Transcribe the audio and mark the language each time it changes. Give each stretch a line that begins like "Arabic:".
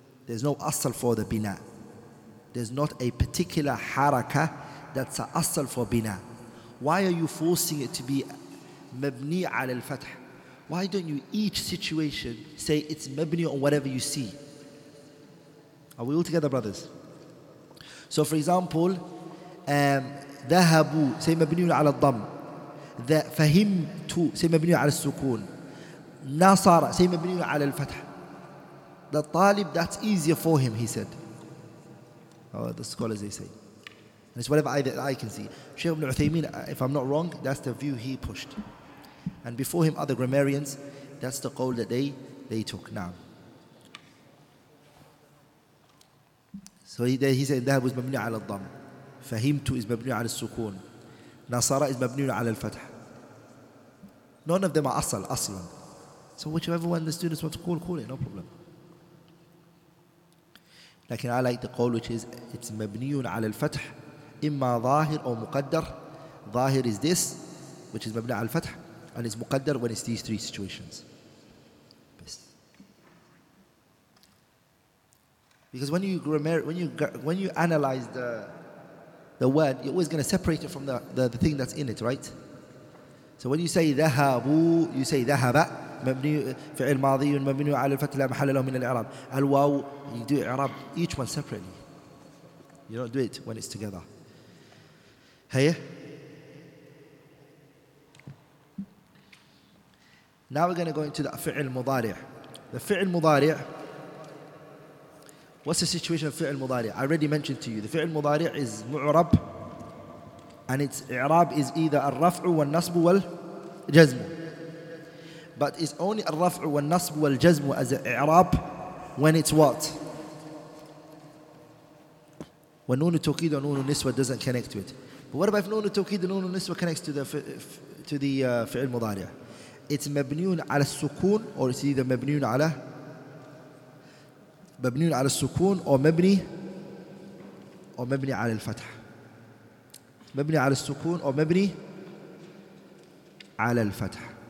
English: There's no asal for the bina. There's not a particular haraka that's a asal for bina. Why are you forcing it to be mabni ala al-fath? Why don't you each situation say it's mabni on whatever you see? Are we all together, brothers? So for example, ذهبوا say
Arabic: مبني على الضم.
English: فهمتوا say
Arabic: مبني على السكون.
English: نصر say
Arabic: مبني على الفتح.
English: The طالب, that's easier for him, he said. Oh, the scholars, they say. And it's whatever I can see. Shaykh ibn Uthaymeen, if I'm not wrong, that's the view he pushed. And before him, other grammarians, that's the قول that they took. Now. So he said, "Dhahab is mabni ala al-dham. Fahimtu is mabni ala al-sukun. Nasara is mabni ala al-fath." None of them are aslan. So whichever one the students want to call it, no problem. Like, I like the call, which is, it's mabni ala al-fath. Imma zahir or muqaddar. Zahir is this, which is mabni ala al-fath. And it's muqaddar when it's these three situations. Because when you analyze the word, you're always going to separate it from the thing that's in it, right? So when you say
Arabic: ذهبوا,
English: you say
Arabic: ذهبا مبني فعل ماضي مبني على الفتح لا محل له من الإعراب.
English: الواو, you do إعراب each one separately. You don't do it when it's together. هيا. Now we're going to go into the فعل مضارع. The فعل مضارع. What's the situation of fi'l mudari? I already mentioned to you, the fi'l mudari is mu'rab, and its i'rab is either al-raf'u wal-nasbu wal-jazmu. But it's only al-raf'u wal-nasbu wal-jazmu as an i'rab when it's what? When nunu tawkid and nunu niswa doesn't connect to it. But what about if nunu tawkid and nunu niswa connects to the fi'l mudari? It's mabniun ala sukun, or it's either mabniun ala
Arabic: مبني على السكون أو مبني على الفتح. مبني على السكون أو مبني على الفتح.